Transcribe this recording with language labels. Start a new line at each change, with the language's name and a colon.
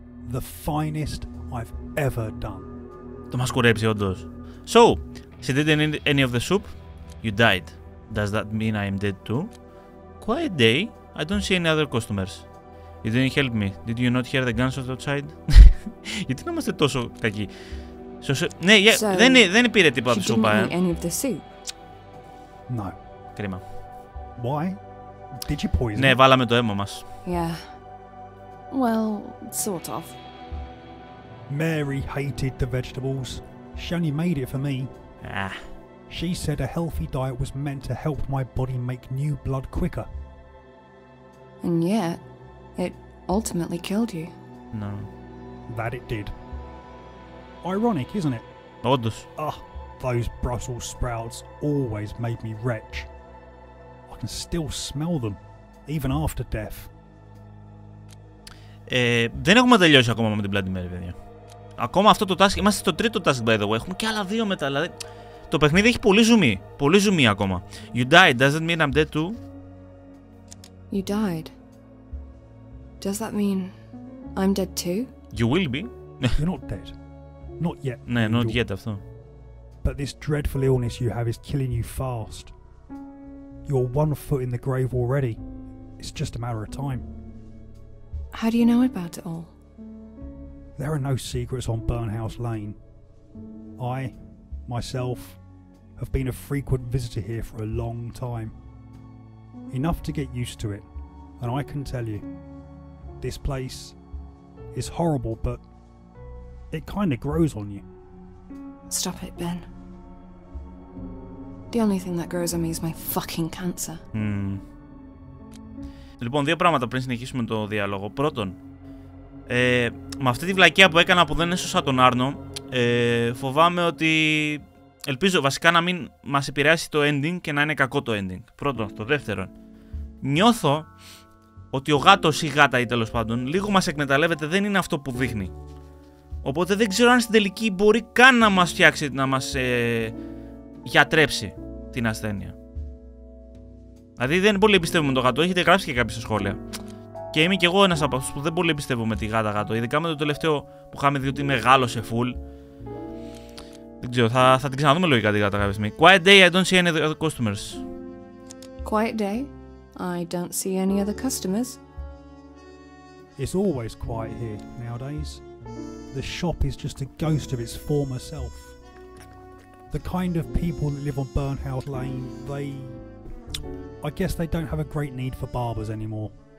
English: The finest I've ever done.
Greek: Το μας κουρέψει όντως.
English: So, she didn't eat any of the soup. You died. Does that mean I'm dead too? Quiet day. I don't see any other customers. You didn't help me. Did you not hear the guns outside?
Greek: Γιατί να είμαστε τόσο κακοί. Ναι, δεν πήρε τίποτα από τη σούπα.
English: She didn't eat any of the soup. No.
Greek: Κρίμα.
English: Why? Did you poison?
Greek: Ναι, βάλαμε το αίμα μας.
English: Yeah. Well, sort of. Mary hated the vegetables. She only made it for me. Ah. She said a healthy diet was meant to help my body make new blood quicker. And yet, it ultimately killed you. No. That it did. Ironic, isn't it?
Greek: Όντως.
English: Ah, those Brussels sprouts always made me wretch. I can still smell them, even after death.
Greek: Δεν έχουμε τελειώσει ακόμα με την Bloody Mary, παιδιά. Ακόμα αυτό το task, είμαστε στο τρίτο task,
English: by the way.
Greek: Έχουμε και άλλα δύο μετά, δηλαδή. Το παιχνίδι έχει πολύ ζουμί. Πολύ ζουμί ακόμα.
English: You died, does that mean I'm dead too? You died. Does that mean I'm dead too? You will be. You're not dead. Not yet.
Greek: Ναι,
English: not yet
Greek: αυτό.
English: But this dreadful illness you have is killing you fast. You're one foot in the grave already. It's just a matter of time. How do you know about it all? There are no secrets on Burnhouse Lane. I, myself, have been a frequent visitor here for a long time. Enough to get used to it, and I can tell you, this place is horrible, but it kind of grows on you. Stop it, Ben. The only thing that grows on me is my fucking cancer.
Greek: Λοιπόν, δύο πράγματα πριν συνεχίσουμε το διάλογο. Πρώτον, με αυτή τη βλακεία που έκανα που δεν έσωσα τον Άρνο, φοβάμαι ότι. Ελπίζω βασικά να μην μας επηρεάσει το ending και να είναι κακό το ending. Πρώτον. Το δεύτερον, νιώθω ότι ο γάτος ή γάτα ή τέλος πάντων λίγο μας εκμεταλλεύεται, δεν είναι αυτό που δείχνει. Οπότε δεν ξέρω αν στην τελική μπορεί καν να μας φτιάξει, να μας γιατρέψει την ασθένεια. Δηλαδή δεν πολύ εμπιστεύομαι με το γάτο, έχετε γράψει και κάποιες σχόλια. Και είμαι κι εγώ ένας από αυτούς που δεν πολύ εμπιστεύομαι με τη γάτα γάτο, ειδικά με το τελευταίο που είχαμε δει ότι μεγάλωσε φουλ. Δεν ξέρω, θα την ξαναδούμε λογικά τη γάτα κάποια στιγμή.
English: Quiet day, I don't see any other customers. Quiet day, I don't see any other customers. It's always quiet here nowadays. The shop is just a ghost of its former self. The kind of people that live on Burnhouse Lane, they... I guess they don't have a great need for barbers anymore.